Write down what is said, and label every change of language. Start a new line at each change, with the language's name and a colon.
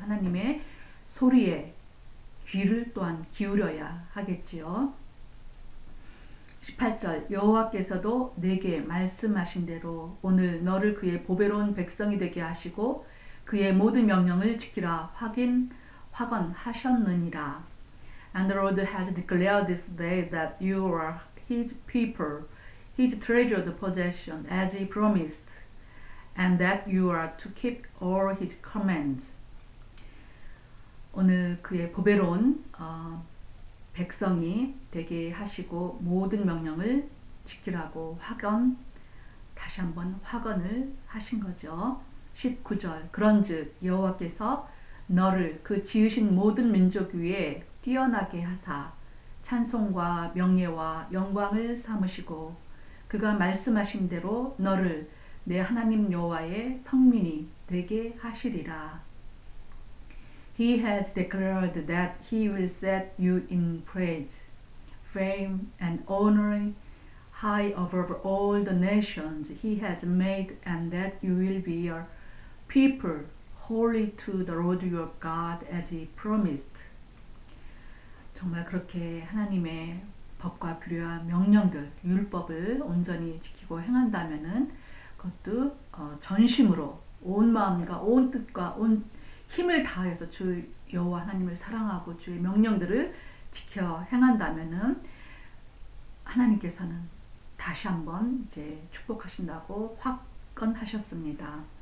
Korean: 하나님의 소리에 귀를 또한 기울여야 하겠지요. 18절, 여호와께서도 내게 말씀하신 대로 오늘 너를 그의 보배로운 백성이 되게 하시고 그의 모든 명령을 지키라 확언하셨느니라.
English: And the Lord has declared this day that you are his people, his treasured possession, as he promised, and that you are to keep all his commands.
Korean: 오늘 그의 보배로운 백성이 되게 하시고 모든 명령을 지키라고 다시 한번 확언을 하신 거죠. 19절, 그런즉 여호와께서 너를 그 지으신 모든 민족 위에 뛰어나게 하사 찬송과 명예와 영광을 삼으시고 그가 말씀하신 대로 너를 내 하나님 여호와의 성민이 되게 하시리라.
English: He has declared that he will set you in praise, fame, and honor high above all the nations he has made, and that you will be a people holy to the Lord your God as he promised.
Korean: 정말 그렇게 하나님의 법과 규례와 명령들, 율법을 온전히 지키고 행한다면은 그것도 전심으로 온 마음과 온 뜻과 온 힘을 다해서 주 여호와 하나님을 사랑하고 주의 명령들을 지켜 행한다면은 하나님께서는 다시 한번 이제 축복하신다고 확언하셨습니다.